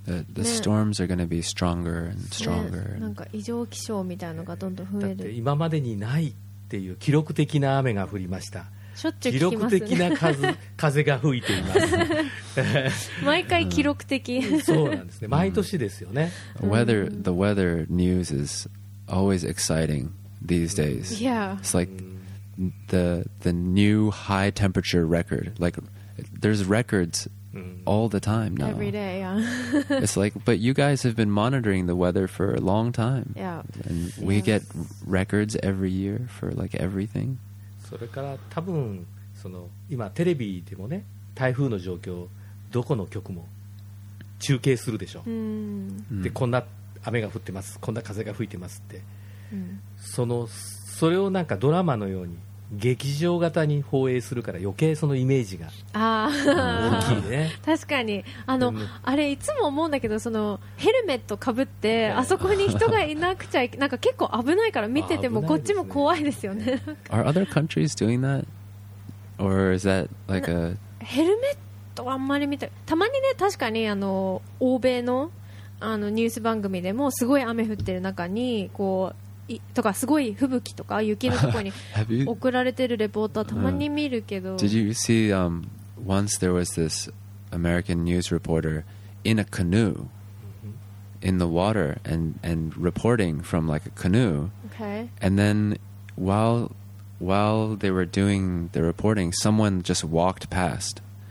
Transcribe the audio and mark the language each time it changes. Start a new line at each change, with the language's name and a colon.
English: The storms are going to be stronger and stronger.
Japanese: なんか異常気象みたいなのがどんどん増える。だって今までにないっていう記録的な雨が降りました。しょっちゅう聞きますね。記録的な風が吹いています。毎回記録的。そうなんですね。毎年ですよね。
English: Weather, the weather news is always exciting these days. Yeah. It's like the new high temperature record, like. There's records all the time now. Every day, yeah. It's like, but you guys have been monitoring the weather for a long time. Yeah. And we get records every year for like everything.
Japanese: それから多分その今テレビでもね、台風の状況どこの局も中継するでしょう。うん。で、こんな雨が降ってます、こんな風が吹いてますって。うん。そのそれをなんかドラマのように。劇場型に放映するから余計そのイメージが大きいね。確かに、あの、あれいつも思うんだけど、そのヘルメットかぶってあそこに人がいなくちゃいけなんか結構危ないから、見ててもこっちも怖いですよね。
English: Are other countries doing that? Or is that like a...
Japanese: ヘルメットあんまり見た、たまにね、確かにあの欧米の、あのニュース番組でもすごい雨降ってる中にこうとかすごい吹雪とか雪のところに送られてるレポーターたまに見るけど、
English: Did you see once there was this American news reporter in a canoe in the water and reporting from like a canoe? Okay. And then while they were doing the reporting, someone just walked past.